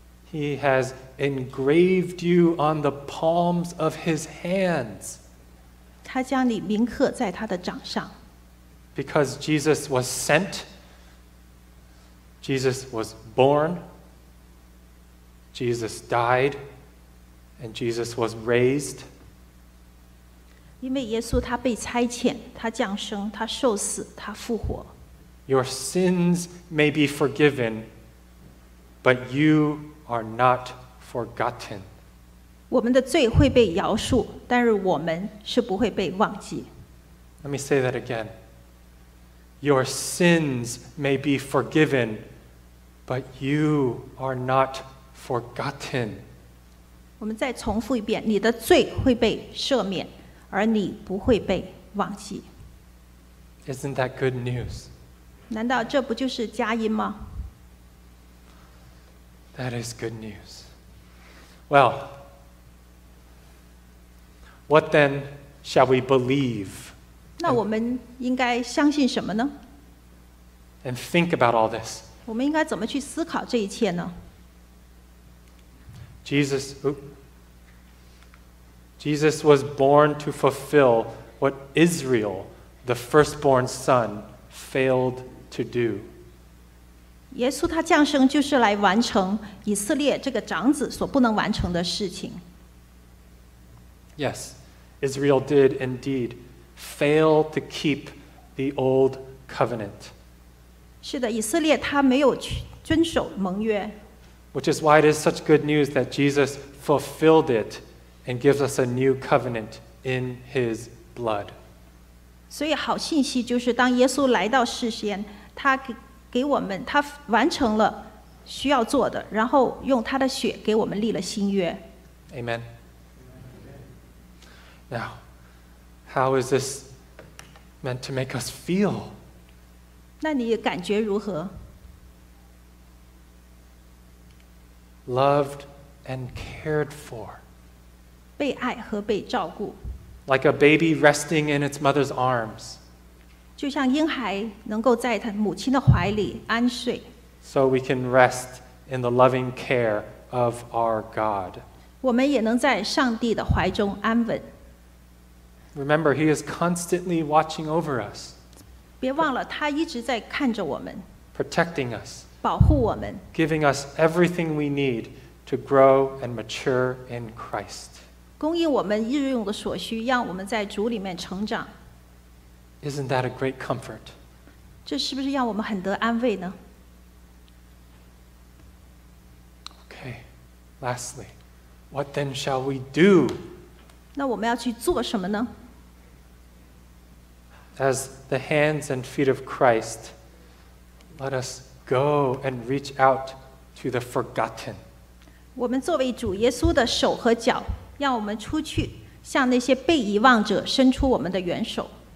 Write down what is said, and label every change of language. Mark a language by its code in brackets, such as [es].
[en] He has engraved you on the palms of His hands. [zh] 他将你铭刻在他的掌上。 [en] Because Jesus was sent,Jesus was born, Jesus died, and Jesus was raised. [zh] 因为耶稣他被差遣，他降生，他受死，他复活。 [en] Your sins may be forgiven, but you are not forgotten. [zh] 我们的罪会被饶恕，但是我们是不会被忘记。 [en] Let me say that again. Your sins may be forgiven,But you are not forgotten. [zh] 我们再重复一遍，你的罪会被赦免，而你不会被忘记。 [en] Isn't that good news? [zh] 难道这不就是佳音吗？ [en] That is good news. Well, what then shall we believe? [zh] 那我们应该相信什么呢？ [en] And think about all this. [zh] 我们应该怎么去思考这一切呢？ [en] Jesus, Jesus was born to fulfill what Israel, the firstborn son, failed to do. [zh] 耶稣他降生就是来完成以色列这个长子所不能完成的事情。 [en] Yes, Israel did indeed fail to keep the old covenant. [zh] 是的，以色列他没有遵守盟约。 [en] Which is why it is such good news that Jesus fulfilled it and gives us a new covenant in his blood. [zh] 所以好信息就是当耶稣来到世间，他给我们，他完成了需要做的，然后用他的血给我们立了新约。 [en] Amen. Now, how is this meant to make us feel? [zh] 那你感觉如何？ [en] Loved and cared for. [zh] 被爱和被照顾。 [en] Like a baby resting in its mother's arms. [zh] 就像婴孩能够在他母亲的怀里安睡。 [en] So we can rest in the loving care of our God. [zh] 我们也能在上帝的怀中安稳。 [en] Remember, he is constantly watching over us. [zh] 别忘了，他一直在看着我们。 [en] Protecting us. [zh] 保护我们。 [en] Giving us everything we need to grow and mature in Christ. [zh] 供应我们日用的所需，让我们在主里面成长。 [en] Isn't that a great comfort? [zh] 这是不是让我们很得安慰呢？ [en] Okay, lastly, what then shall we do? [zh] 那我们要去做什么呢？ [en] As the hands and feet of Christ, let us go and reach out to the forgotten. [zh] 我们作为主耶稣的手和脚，让我们出去，向那些被遗忘者伸出我们的援手。